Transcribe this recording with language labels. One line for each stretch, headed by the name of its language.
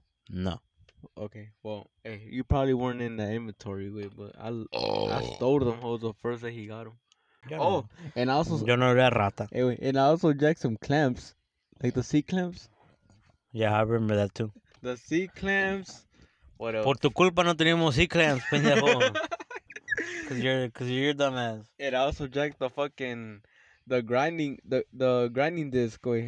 English: No. Okay, well, hey, you probably weren't in the inventory, way, but I stole them hoes the first day he got them.
Spanish: Yo no era rata.
English: Anyway, and I also jacked some clamps, like the C-clamps. Yeah, I remember that too. The C-clamps, what else?
Spanish: Por tu culpa no teníamos C-clamps, pendejo.
English: Because you're dumbass. And I also jacked the fucking, the grinding disc, way.